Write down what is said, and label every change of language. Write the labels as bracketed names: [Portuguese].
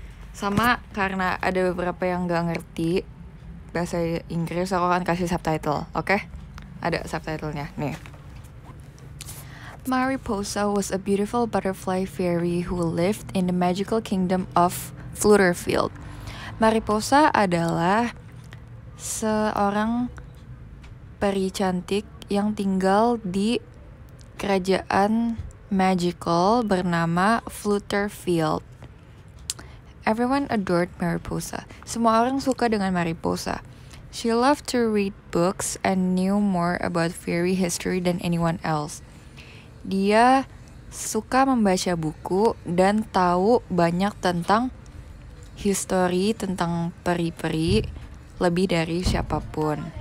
[Indonesian] Sama, karena ada beberapa yang gak ngerti bahasa Inggris, aku akan kasih subtitle, oke? Ada subtitlenya, nih. [English] Mariposa was a beautiful butterfly fairy who lived in the magical kingdom of Flutterfield. [Indonesian] Mariposa adalah seorang peri cantik yang tinggal di kerajaan magical bernama Flutterfield. [English] Everyone adored Mariposa. [Indonesian] Semua orang suka dengan Mariposa. [English] She loved to read books and knew more about fairy history than anyone else. [Indonesian] Dia suka membaca buku dan tahu banyak tentang history, tentang peri-peri lebih dari siapapun.